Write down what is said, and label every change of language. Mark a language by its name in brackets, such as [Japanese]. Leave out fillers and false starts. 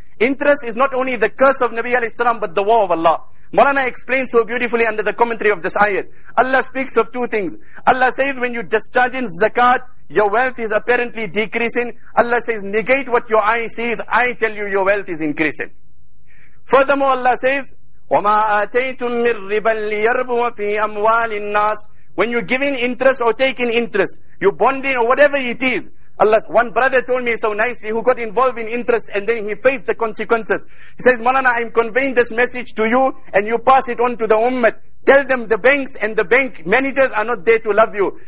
[English] Interest is not only the curse of Nabi alayhi salam, but the war of Allah. Mawlana explains so beautifully under the commentary of this ayat. Allah speaks of two things. Allah says, when you discharge in zakat, your wealth is apparently decreasing. Allah says, negate what your eye sees. I tell you, your wealth is increasing. Furthermore, Allah says, [Arabic] وَمَا آتَيْتُم مِّن رِّبًا لِّيَرْبُوَ فِي أَمْوَالِ النَّاسِ. [English] When you're giving interest or taking interest, you're bonding or whatever it is. Allah, one brother told me so nicely, who got involved in interest and then he faced the consequences. He says, Malana, I'm conveying this message to you and you pass it on to the ummah. Tell them the banks and the bank managers are not there to love you.